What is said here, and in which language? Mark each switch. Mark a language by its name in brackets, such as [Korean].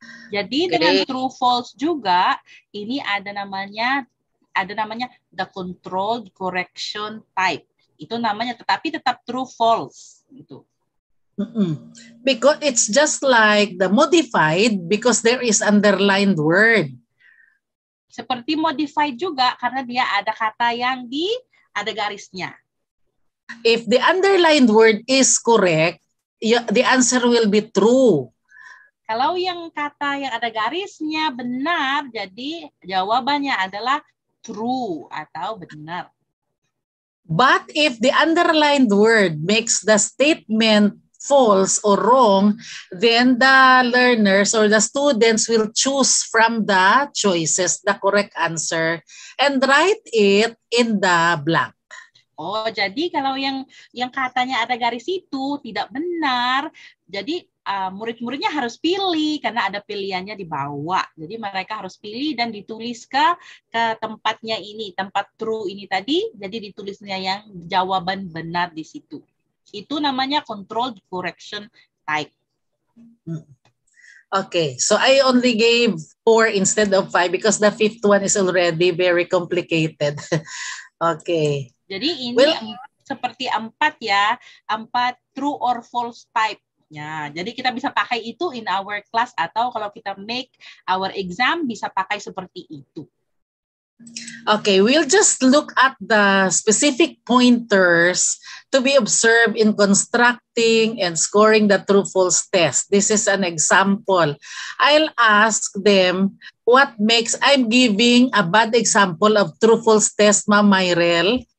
[Indonesian] Jadi okay. Dengan true false juga, ini ada namanya [English] the controlled correction type. [Indonesian] Itu namanya, tetapi tetap true false. Gitu. Mm-mm. [English] Because it's just like the modified, because there is underlined word. [Indonesian] Seperti modified juga, karena dia ada kata yang di, ada garisnya. [English] If the underlined word is correct, the answer will be true. [Indonesian] Kalau yang kata yang ada garisnya benar, jadi jawabannya adalah true atau benar. [English] But if the underlined word makes the statement false or wrong, then the learners or the students will choose from the choices the correct answer and write it in the blank. [Indonesian] Oh, jadi kalau yang katanya ada garis itu tidak benar, jadi murid-muridnya harus pilih karena ada pilihannya di bawah. Jadi mereka harus pilih dan ditulis ke tempatnya ini, tempat true ini tadi, jadi ditulisnya yang jawaban benar di situ. Itu namanya controlled correction type. [English] Okay, so I only gave 4 instead of 5 because the fifth one is already very complicated. Okay. [Indonesian] Jadi ini well, seperti 4 ya, 4 true or false type. Ya, jadi kita bisa pakai itu [English] in our class [Indonesian] atau kalau kita [English] make our exam [Indonesian] bisa pakai seperti itu. [English] Okay, we'll just look at the specific pointers to be observed in constructing and scoring the true false test. This is an example. I'll ask them what makes I'm giving a bad example of true false test, Ma'am Myrel.